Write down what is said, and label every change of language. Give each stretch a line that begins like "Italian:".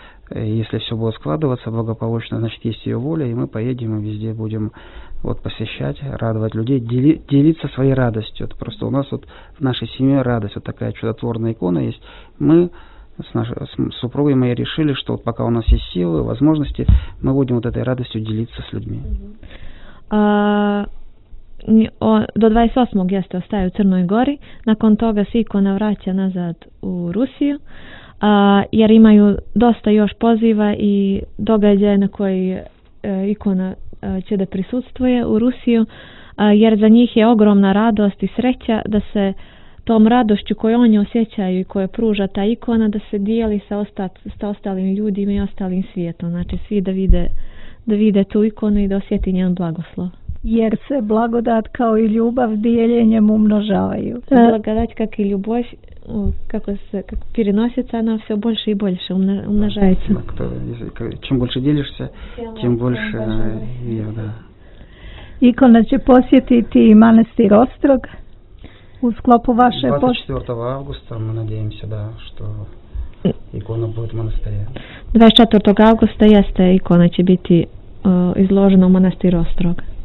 Russian: Если все будет складываться благополучно, значит, есть ее воля, и мы поедем и везде будем вот посещать, радовать людей, делиться своей радостью. Это просто у нас вот в нашей семье радость, вот такая чудотворная икона есть. Мы с супругой моей решили, что вот пока у нас есть силы, возможности, мы будем вот этой радостью делиться с людьми. До 28-го я остаюсь в Черной Горе,
Serbian: након тога с икона враћа назад у Русию, jer imaju dosta još poziva i događaja na koji ikona će da prisustvuje u Rusiju, jer za njih je ogromna radost i sreća da se tom radošću koju oni osjećaju i koju pruža ta ikona, da se dijeli sa ostalim ljudima i ostalim svijetom. Znači, svi da vide tu ikonu i da osjeti njen blagoslov. Jer se blagodat kao i ljubav dijeljenjem umnožavaju. Blagodat kao i ljubav,
Russian: как переносится, она все больше и больше умножается. Да, чем больше делишься, тем больше ее, да.
Serbian: Икона će posjetiti i manastir Ostrog u sklopu vaše posjeti. 24.
Russian: августа мы надеемся, да, что икона будет в монастыре. 24.
Serbian: августа jeste, икона će biti izložena u manastir Ostrog.